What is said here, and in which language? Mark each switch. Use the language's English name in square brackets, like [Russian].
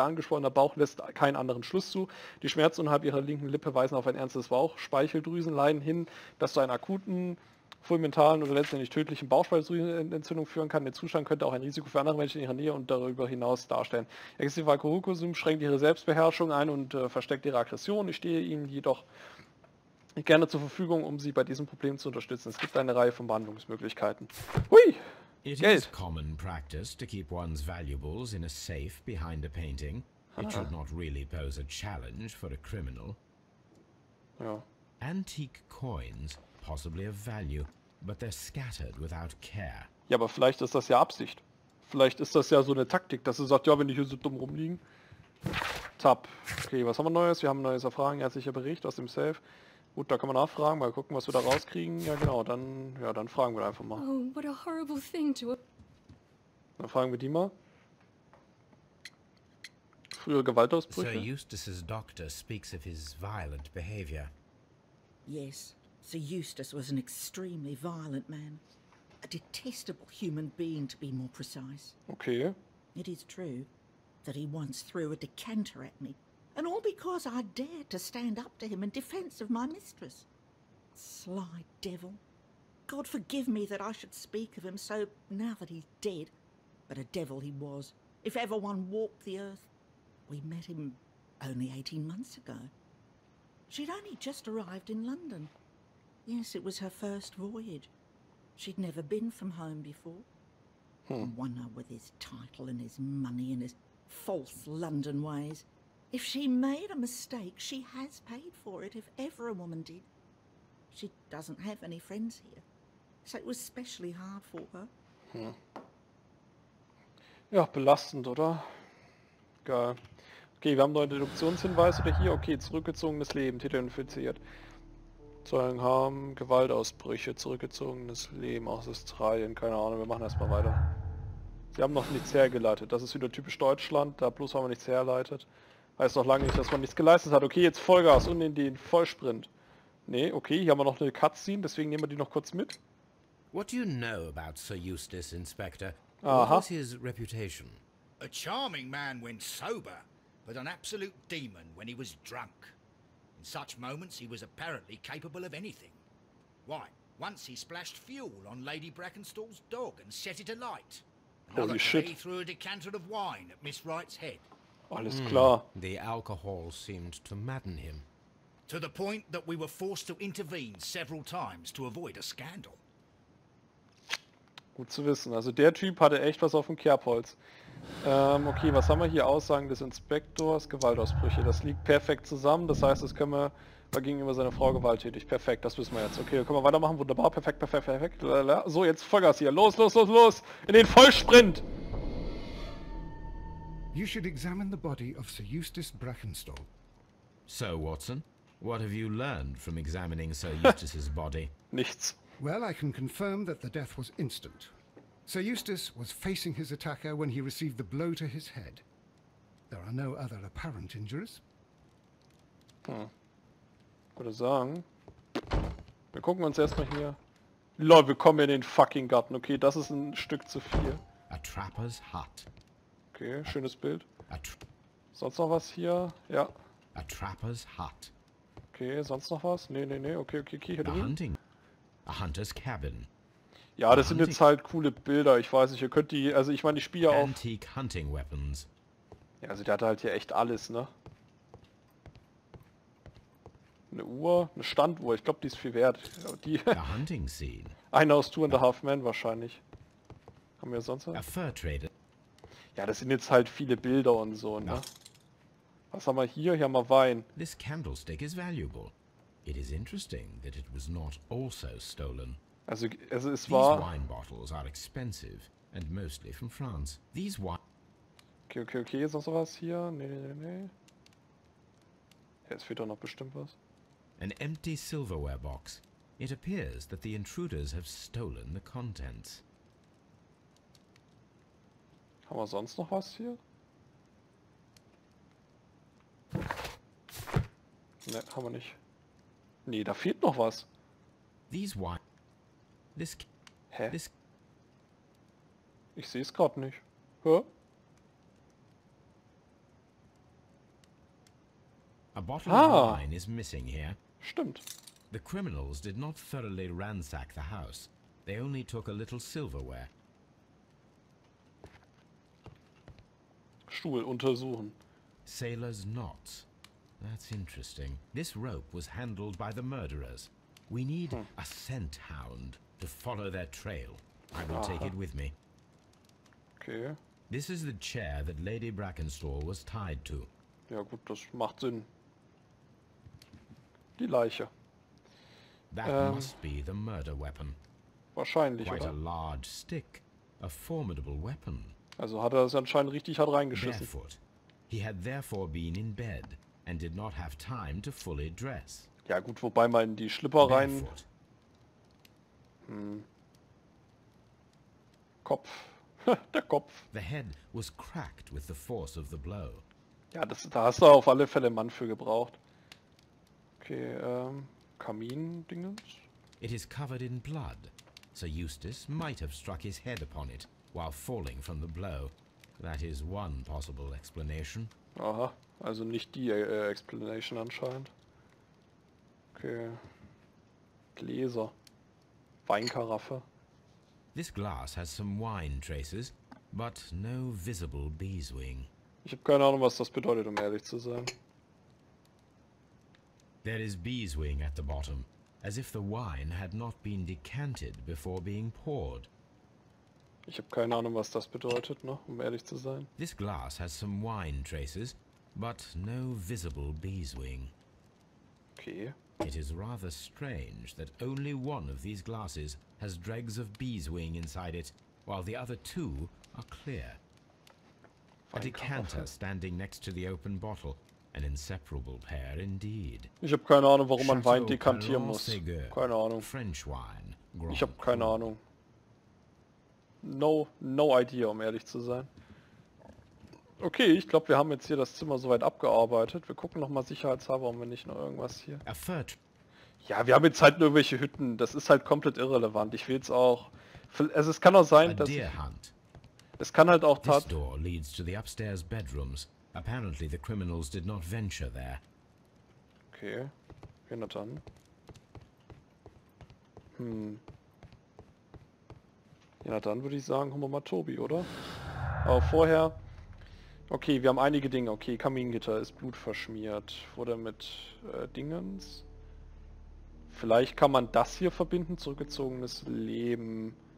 [German] Ihr angeschwollener Bauch lässt keinen anderen Schluss zu. Die Schmerzen unterhalb ihrer linken Lippe weisen auf ein ernstes Bauchspeicheldrüsenleiden hin, das zu einer akuten, fulminalen oder letztendlich tödlichen Bauchspeicheldrüsenentzündung führen kann. Der Zustand könnte auch ein Risiko für andere Menschen in ihrer Nähe und darüber hinaus darstellen. Exzessiver Alkoholkonsum schränkt ihre Selbstbeherrschung ein und versteckt ihre Aggression. Ich stehe Ihnen jedoch gerne zur Verfügung, um Sie bei diesem Problem zu unterstützen. Es gibt eine Reihe von Behandlungsmöglichkeiten. Hui! [English] It is common practice to keep one's valuables in a safe behind a painting. It should not really pose a challenge for a criminal. [German] Ja. [English] Antique coins, possibly of value, but they're scattered without care. [German] Ja, aber vielleicht ist das ja Absicht. Vielleicht ist das ja so eine Taktik, dass sie sagt, ja, wenn die hier so dumm rumliegen. Tab. Okay, was haben wir Neues? Wir haben ein neues Erfragen, ärztlicher Bericht aus dem Safe. Gut, da kann man nachfragen, mal gucken, was wir da rauskriegen. Ja, genau, dann fragen wir einfach mal. [English] Oh, what a horrible thing to... [German] Dann fragen wir die mal. Frühere Gewaltausbrüche. [English] Sir Eustace's doctor speaks of his violent behavior. Yes, Sir Eustace was an extremely violent man. A detestable human being, to be more precise. Okay. It is true that he once threw a decanter at me. And all because I dared to stand up to him in defense of my mistress. Sly devil. God forgive me that I should speak of him so now that he's dead. But a devil he was, if ever one walked the earth. We met him only 18 months ago. She'd only just arrived in London. Yes, it was her first voyage. She'd never been from home before. Hmm. Wonder with his title and his money and his false London ways. If she made a mistake, she has paid for it, if ever a woman did. She doesn't have any friends here, so it was especially hard for her. [German] Hm. Ja, belastend, oder? Geil. Okay, wir haben neue Deduktionshinweise oder hier. Okay, zurückgezogenes Leben, Titel infiziert. Zeugen haben Gewaltausbrüche, zurückgezogenes Leben aus Australien. Keine Ahnung, wir machen erstmal weiter. Sie haben noch nichts hergeleitet. Das ist wieder typisch Deutschland, da bloß haben wir nichts hergeleitet. Heißt noch lange nicht, dass man nichts geleistet hat. Okay, jetzt Vollgas und in den Vollsprint. Nee, okay, hier haben wir noch eine Cutscene, deswegen nehmen wir die noch kurz mit. [English] What do you know about Sir Eustace, Inspector? Aha. What is his reputation? A charming man when sober, but an absolute demon when he was drunk. In such moments he was apparently capable of anything. Why, once he splashed fuel on Lady Brackenstall's dog and set it alight. Holy shit. He threw a decanter of wine at Miss Wright's head. [German] Alles klar. [English] The alcohol seemed to madden him. To the point that we were forced to intervene several times to avoid a scandal. [German] Gut zu wissen. Also der Typ hatte echt was auf dem Kerbholz. Okay, was haben wir hier? Aussagen des Inspektors, Gewaltausbrüche. Das liegt perfekt zusammen. Das heißt, das können wir, war gegenüber seiner Frau gewalttätig. Perfekt, das wissen wir jetzt. Okay, können wir weitermachen. Wunderbar, perfekt, perfekt, perfekt. So, jetzt Vollgas hier. Los, los, los, los. In den Vollsprint. [English] You should examine the body of Sir Eustace Brackenstall. So, Watson, what have you learned from examining Sir Eustace's body? [German] Nichts. [English] Well, I can confirm that the death was instant. Sir Eustace was facing his attacker when he received the blow to his head. There are no other apparent injuries. Hm. [German] Würde sagen, wir gucken uns erstmal hier. Lol, wir kommen in den fucking Garten. Okay, das ist ein Stück zu viel. [English] A trapper's hut. [German] Okay, schönes Bild. Sonst noch was hier? Ja. [English] A trapper's hut. [German] Okay, sonst noch was? Nee, nee, nee. Okay, okay, okay. Hier [English] drin. Hunting. A hunter's cabin. [German] Ja, das sind jetzt halt coole Bilder. Ich weiß nicht, ihr könnt die... Also ich meine, ich spiele ja auch... [English] Antique hunting weapons. [German] Ja, also der hat halt hier echt alles, ne? Eine Uhr, eine Standuhr. Ich glaube, die ist viel wert. Die [English] a hunting scene. [German] Einer aus Two and a Half Men wahrscheinlich. Haben wir sonst was? [English] A fur trader. [German] Ja, das sind jetzt halt viele Bilder und so, ne? Was haben wir hier? Hier haben wir Wein. [English] This candlestick is valuable. It is interesting that it was not also stolen. [German] Also es war... [English] These wine bottles are expensive. and mostly from France. These one. [German] Okay, okay, okay, ist noch sowas hier? Nee, nee, nee. Jetzt fehlt doch noch bestimmt was. [English] An empty silverware box. It appears that the intruders have stolen the contents. [German] Haben wir sonst noch was hier? Ne, haben wir nicht. Nee, da fehlt noch was. [English] These wine. This. Hä? This. [German] Ich sehe es gerade nicht. Hä? [English] A bottle of wine is missing here. [German] Stimmt. [English] The criminals did not thoroughly ransack the house. They only took a little silverware. [German] Stuhl untersuchen. [English] Sailor's knots. That's interesting. This rope was handled by the murderers. We need a scent hound to follow their trail. I will take it with me. Okay. This is the chair that Lady Brackenstall was tied to. [German] Ja gut, das macht Sinn. Die Leiche. [English] That must be the murder weapon. [German] Wahrscheinlich, [English] quite [German] oder? [English] A large stick, a formidable weapon. [German] Also hat er es anscheinend richtig hart reingeschissen. [English] Barefoot. He had therefore been in bed and did not have time to fully dress. [German] Ja gut, wobei mal in die Schlipper rein. Kopf. Der Kopf. [English] The head was cracked with the force of the blow. [German] Ja, das, da hast du auf alle Fälle einen Mann für gebraucht. Okay, Kamin-Dingens? [English] It is covered in blood. Sir Eustace might have struck his head upon it while falling from the blow. That is one possible explanation. [German] Aha, also nicht die Explanation anscheinend. Okay. Gläser. Weinkaraffe. [English] This glass has some wine traces, but no visible bee's wing. [German] Ich habe keine Ahnung, was das bedeutet, um ehrlich zu sein. [English] There is bee's wing at the bottom, as if the wine had not been decanted before being poured. [German] Ich habe keine Ahnung, was das bedeutet, ne, um ehrlich zu sein. [English] This glass has some wine traces, but no visible bee's wing. Okay. It is rather strange that only one of these glasses has dregs of bee's wing inside it, while the other two are clear. A decanter standing next to the open bottle. An inseparable pair indeed. [German] Ich habe keine Ahnung, warum man Wein dekantieren muss. Keine Ahnung. [English] French wine. [German] Ich habe keine Ahnung. [English] No idea, [German] um ehrlich zu sein. Okay, ich glaube, wir haben jetzt hier das Zimmer soweit abgearbeitet. Wir gucken nochmal sicherheitshalber, ob wir nicht noch irgendwas hier. Erfährt. Ja, wir haben jetzt halt nur irgendwelche Hütten. Das ist halt komplett irrelevant. Ich will es auch. Also es kann auch sein, dass. Ich, es kann halt auch tatsächlich. [English] Door leads to the upstairs bedrooms. Apparently the criminals did not venture there. [German] Okay, hier noch dann. Ja, na dann würde ich sagen, holen wir mal Tobi, oder? Aber vorher. Okay, wir haben einige Dinge. Okay, Kamingitter ist blutverschmiert. Wurde mit Dingens. Vielleicht kann man das hier verbinden, zurückgezogenes Leben.